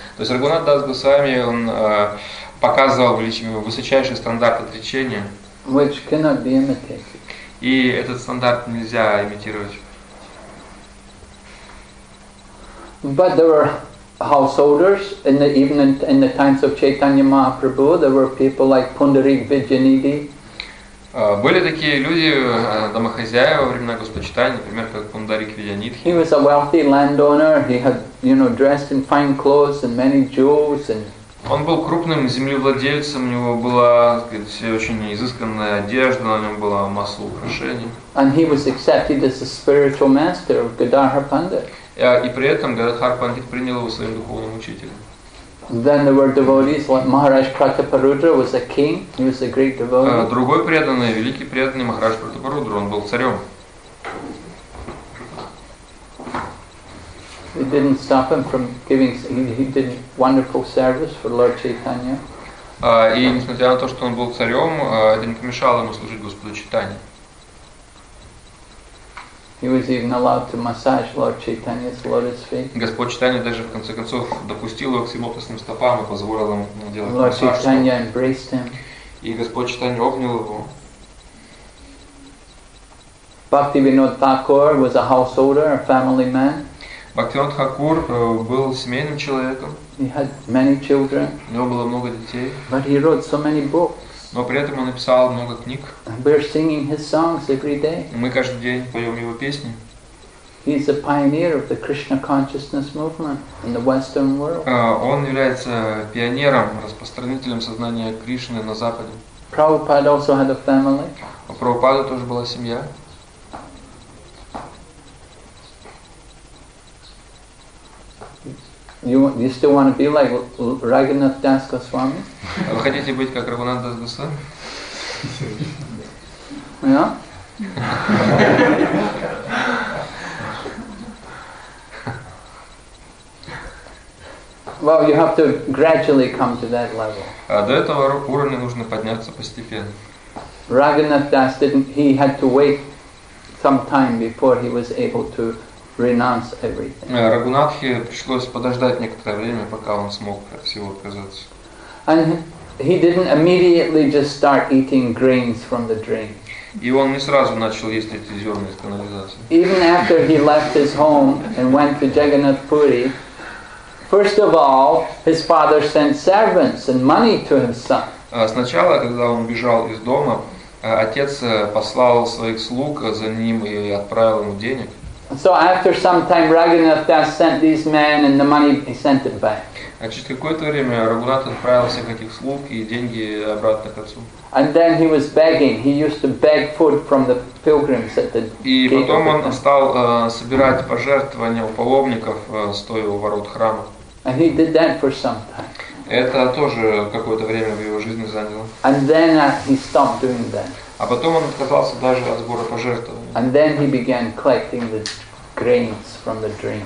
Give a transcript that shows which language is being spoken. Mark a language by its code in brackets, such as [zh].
[ru] То есть Рагунат Дас Госвами, он показывал высочайший стандарт отречения. [en] Which cannot be imitated. [ru] И этот стандарт нельзя имитировать. [en] But there were householders in the evening in the times of Chaitanya Mahaprabhu. There were people like Pundarik Vidyanidhi. [ru] Были такие люди, домохозяева во времена Господа Чайтаньи, например, как Пундарик Видьянидхи. [en] He was a wealthy landowner. He had, you know, dressed in fine clothes and many jewels and. [ru] Он был крупным землевладельцем, у него была, так сказать, все очень изысканная одежда, на нем была масса украшений. [en] And he was accepted as a spiritual master of Gadadhar Pandit. [ru] И при этом Гададхар Пандит принял его своим духовным учителем. [en] Then there were devotees like Maharaj Prataparudra was a king. He was a great devotee. [ru] Другой преданный, великий преданный Махарадж Пратапарудра, он был царем. [en] It didn't stop him from giving. He did wonderful service for Lord Chaitanya. [ru] И несмотря на то, что он был царем, это не помешало ему служить Господу Чайтанье. [en] He was even allowed to massage Lord Chaitanya's lotus feet. [ru] Господь Чайтанья даже в конце концов допустил его к своим лотосным стопам и позволил ему делать [en] Lord [ru] массаж. [en] Lord Chaitanya embraced him. [ru] И Господь Чайтанья обнял его. [en] Bhaktivinod Thakur was a householder, a family man. [ru] Бхактивинод Тхакур был семейным человеком. [en] He had many children. [ru] У него было много детей. [en] But he wrote so many books. [ru] Но при этом он написал много книг. [en] We're singing his songs every day. [ru] Мы каждый день поем его песни. [en] He's a pioneer of the Krishna consciousness movement in the Western world. [ru] Он является пионером, распространителем сознания Кришны на Западе. [en] Prabhupada also had a family. [ru] У Прабхупады тоже была семья. [en] You still want to be like Raghunath Das Goswami? [ru] Вы хотите быть как Рагунат Дас Госвами? [en] Yeah. Well, you have to gradually come to that level. [ru] До этого уровня нужно подняться постепенно. [en] Raghunath Das didn't. He had to wait some time before he was able to renounce everything. [ru] Рагунатхе пришлось подождать некоторое время, пока он смог от всего отказаться. [en] And he didn't immediately just start eating grains from the drain. [ru] И он не сразу начал есть эти зерна из канализации. [en] Even after he left his home and went to Jagannath Puri, first of all, his father sent servants and money to his son. [ru] Сначала, когда он бежал из дома, отец послал своих слуг за ним и отправил ему денег. [en] So after some time, Raghunath Das sent these men and the money he sent it back. [ru] А через какое-то время Рагунат отправил всех этих слуг и деньги обратно к отцу. [en] And then he was begging. He used to beg food from the pilgrims at the. [ru] И потом он стал собирать пожертвования у паломников, стоя у ворот храма. [en] And he did that for some time. [ru] Это тоже какое-то время в его жизни заняло. [en] And then he stopped doing that. [ru] А потом он отказался даже от сбора пожертвований. [en] And then he began collecting the grains from the drain.